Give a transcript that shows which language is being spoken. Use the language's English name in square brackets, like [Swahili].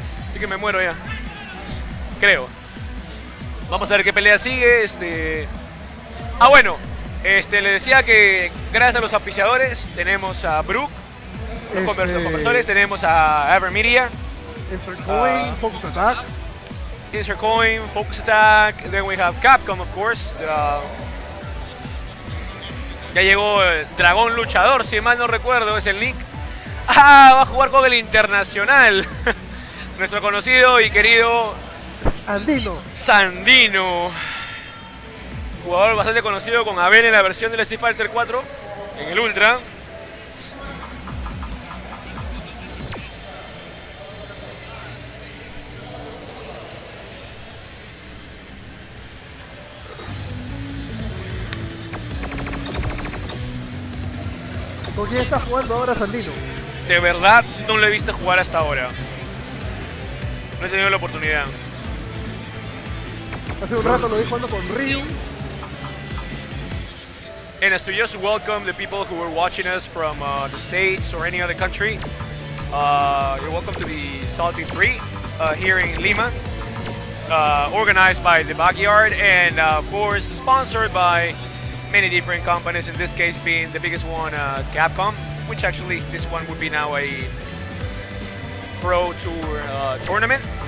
[Spanish] Así que me muero ya. Creo. Vamos a ver qué pelea sigue. Ah, bueno. Le decía que gracias a los auspiciadores tenemos a Brook, los conversores, tenemos a Evermedia, Intercoin, Focus Attack. [English] Intercoin, Focus Attack, then we have Capcom, of course. [Spanish] Ya llegó el Dragón Luchador, si mal no recuerdo, es el Nick. ¡Ah! Va a jugar con el Internacional. Nuestro conocido y querido Sandino. Sandino. Jugador bastante conocido con Abel en la versión del Street Fighter 4 en el Ultra. ¿Con quién está jugando ahora Sandino? De verdad no lo he visto jugar hasta ahora. No he tenido la oportunidad. Hace un rato lo vi jugando con Ryu. [English] And as to just welcome the people who are watching us from the States or any other country, you're welcome to the Salty 3 here in Lima, organized by the Backyard and of course sponsored by many different companies, in this case being the biggest one, Capcom, which actually this one would be now a pro tour tournament.